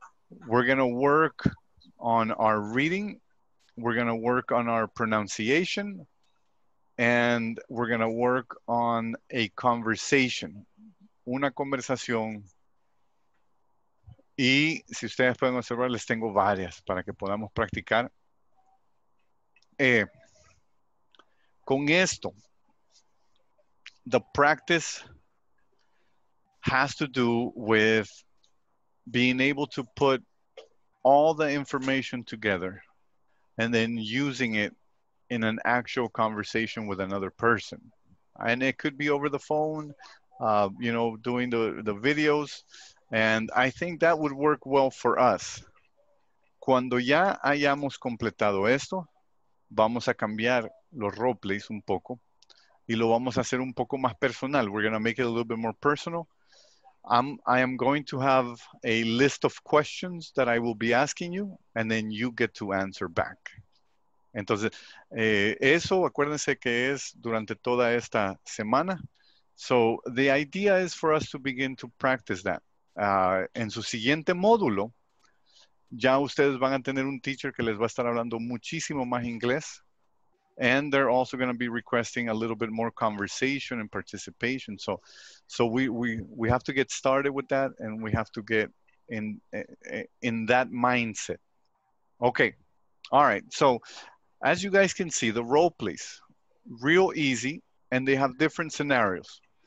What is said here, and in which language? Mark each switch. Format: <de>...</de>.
<en>We're going to work on our reading. We're going to work on our pronunciation. And we're going to work on a conversation.</en> <es>Una conversación Y si ustedes pueden observar, les tengo varias para que podamos practicar. Con esto,</es> <en>the practice has to do with being able to put all the information together and then using it in an actual conversation with another person. And it could be over the phone, you know, doing the videos. And I think that would work well for us.</en> <es>Cuando ya hayamos completado esto, vamos a cambiar los roleplays un poco y lo vamos a hacer un poco más personal.</es> <en>We're going to make it a little bit more personal. I am going to have a list of questions that I will be asking you, and then you get to answer back.</en> <es>Entonces, eso acuérdense que es durante toda esta semana.</es> <en>So the idea is for us to begin to practice that.</en> <es>En su siguiente módulo, ya ustedes van a tener un teacher que les va a estar hablando muchísimo más inglés.</es> <en>And they're also going to be requesting a little bit more conversation and participation. So we have to get started with that, and we have to get in that mindset. Okay. All right. So as you guys can see, the role plays real easy, and they have different scenarios.</en>